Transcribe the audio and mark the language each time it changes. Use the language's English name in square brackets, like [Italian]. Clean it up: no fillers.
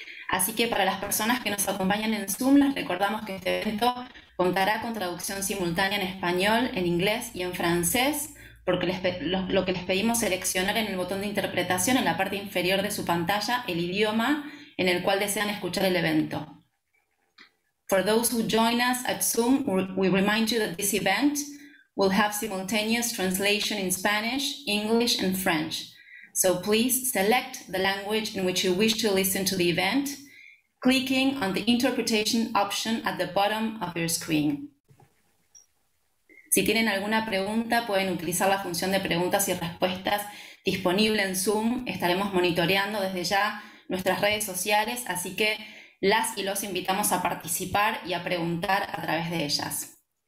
[Spanish] Así que para las personas que nos acompañan en Zoom, les recordamos que este evento contará con traducción simultánea en español, en inglés y en francés, porque lo que les pedimos seleccionar en el botón de interpretación en la parte inferior de su pantalla el idioma en el cual desean escuchar el evento. [English] For those who join us at Zoom, we remind you that this event will have simultaneous translation in Spanish, English, and French. So please select the language in which you wish to listen to the event, clicking on the interpretation option at the bottom of your screen. [Spanish] Si tienen alguna pregunta, pueden utilizar la función de preguntas y respuestas disponible en Zoom. Estaremos monitoreando desde ya nuestras redes sociales, así que las y los invitamos a participar y a preguntar a través de ellas.